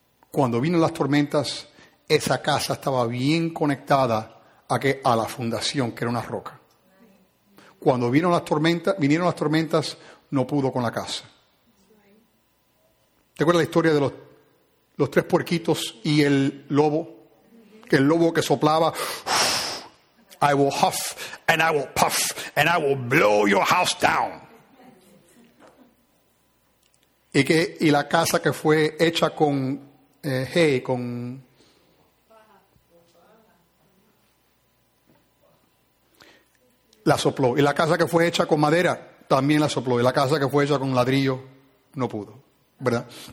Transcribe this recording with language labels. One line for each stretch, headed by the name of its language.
Spanish: Cuando vino las tormentas, esa casa estaba bien conectada a la fundación, que era una roca. Cuando vinieron las tormentas, no pudo con la casa. ¿Te acuerdas la historia de los tres puerquitos y el lobo?
English: Que el lobo que soplaba, I will huff and I will puff and I will blow your house down.
Spanish: Y la casa que fue hecha con hay, con la sopló. Y la casa que fue hecha con madera también la sopló. Y la casa que fue hecha con ladrillo no pudo, ¿verdad?